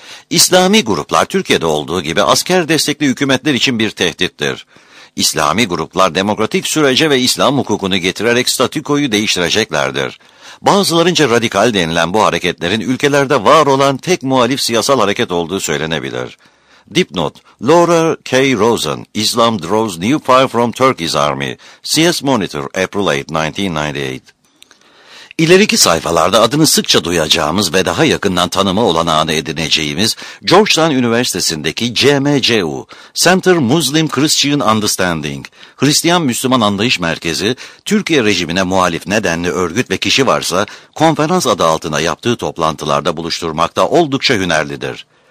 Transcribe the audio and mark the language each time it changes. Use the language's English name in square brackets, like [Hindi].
[Turkish] İslami gruplar Türkiye'de olduğu gibi asker destekli hükümetler için bir tehdittir. İslami gruplar demokratik sürece ve İslam hukukunu getirerek statükoyu değiştireceklerdir. Bazılarınca radikal denilen bu hareketlerin ülkelerde var olan tek muhalif siyasal hareket olduğu söylenebilir. Dipnot: Laura K. [English] Rosen, Islam Draws New Fire from Turkey's Army, CS Monitor, April 8, 1998. [Turkish] İleriki sayfalarda adını sıkça duyacağımız ve daha yakından tanıma olan anı edineceğimiz Georgetown Üniversitesi'ndeki CMCU, [English] Center Muslim Christian Understanding, [Turkish] Hristiyan Müslüman Anlayış Merkezi, Türkiye rejimine muhalif nedenli örgüt ve kişi varsa konferans adı altında yaptığı toplantılarda buluşturmakta oldukça hünerlidir.